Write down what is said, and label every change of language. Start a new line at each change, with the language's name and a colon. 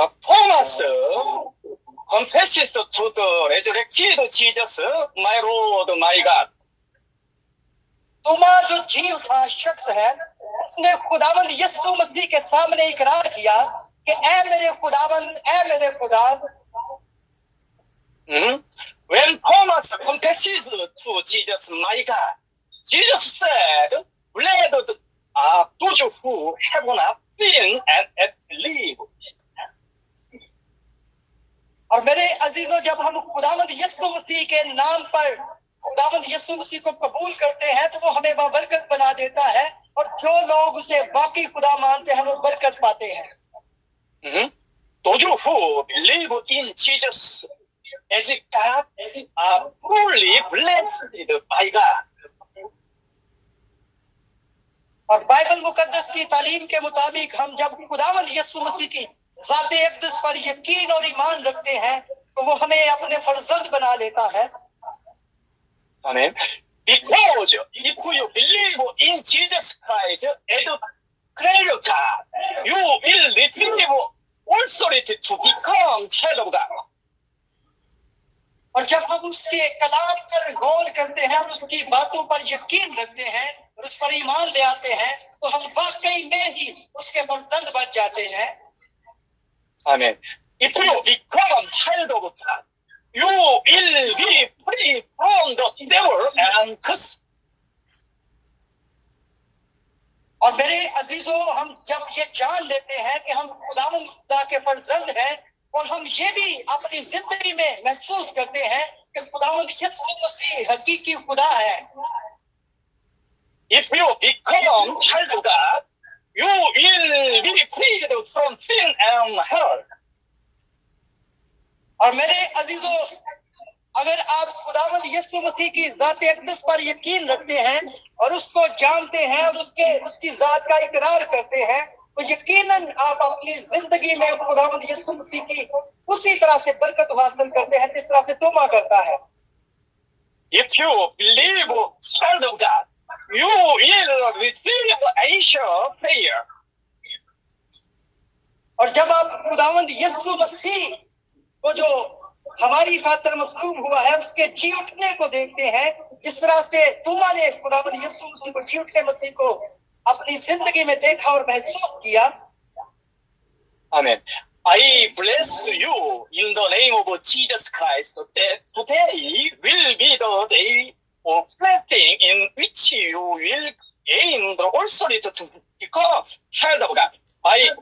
English: Thomas confesses to the resurrected Jesus, my Lord, my God.
Hindi: तुम्हारा जो जी उठा शख्स है उसने खुदावंद यीशु मसीह के सामने इकरार किया कि ऐ मेरे खुदावंद ऐ मेरे खुदा।
English: When Thomas confesses to Jesus, my God, Jesus said, "Blessed are those who have not seen and have believed."
Hindi: और मेरे अजीजों जब हम खुदावंद यीशु मसीह के नाम पर खुदावंद यीशु मसीह को कबूल करते हैं तो वो हमें बरकत बना देता है और जो लोग उसे बाकी खुदा मानते हैं वो बरकत पाते हैं।
English: तो जो who believe in Jesus as it are truly blessed by God.
Hindi: और बाइबल मुकद्दस की तालीम के मुताबिक हम जब खुदावंद यीशु मसीह की ज़ाते एकदस पर यकीन और ईमान रखते हैं तो वो हमें अपने फर्जंद बना लेता है। आमीन।
English: Because if you believe in Jesus Christ as Creator, you will receive authority to become child of God.
Hindi: और जब हम उसके कलाम पर गौर करते हैं उसकी बातों पर यकीन रखते हैं और उस पर ईमान ले आते हैं तो हम वाकई में ही उसके फर्जंद बन जाते हैं।
English: Amen. If you become child of God, you will be free from the devil and curse.
Hindi: और मेरे अजीजों हम जब ये जान लेते हैं कि हम खुदावंद के फर्जंद हैं और हम ये भी अपनी जिंदगी में महसूस करते हैं कि खुदावंद यीशु मसीह हकीकी खुदा है।
English: If you become child of God, you will be freed from sin and hell.
Hindi: और मेरे अजीजों अगर आप खुदावंद यीशु मसीह की ज़ात एकदस पर यकीन रखते हैं और उसको जानते हैं और उसके उसकी ज़ात का इकरार करते हैं तो यकीनन आप अपनी जिंदगी में खुदावंद यीशु मसीह की उसी तरह से बरकत हासिल करते हैं जिस तरह से तुमा करता है।
English: If you believe, child of God, you will receive answer prayer.
Hindi: और जब आप खुदावंद यीशु मसीह वो जो हमारी खातिर मसलूब हुआ है उसके जी उठने को देखते हैं जिस तरह से तुम्हारे खुदावंद यीशु मसीह को जी उठने मसीह को अपनी जिंदगी में देखा और महसूस किया।
English: Amen. I bless you in the name of Jesus Christ that today will be the day of blessing in which you will gain the authority to become child of God. I